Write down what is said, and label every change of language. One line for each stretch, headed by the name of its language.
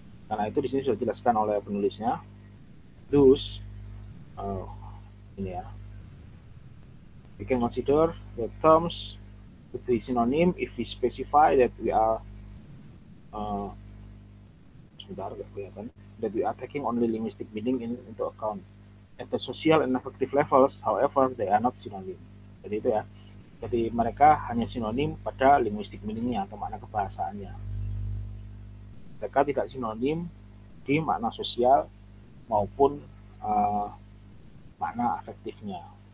Indonesian: Karena itu di sini sudah dijelaskan oleh penulisnya.
English: Thus,
Indonesian: ini ya.
English: We can consider the terms to be synonym if we specify that we are
Indonesian: sebentar, gak kelihatan,
English: that we are taking only linguistic meaning into account. At the social and affective levels, however, they are not synonym.
Indonesian: Jadi itu ya. Jadi mereka hanya sinonim pada linguistic meaningnya atau makna kebahasaannya. Mereka tidak sinonim di makna sosial maupun makna afektifnya.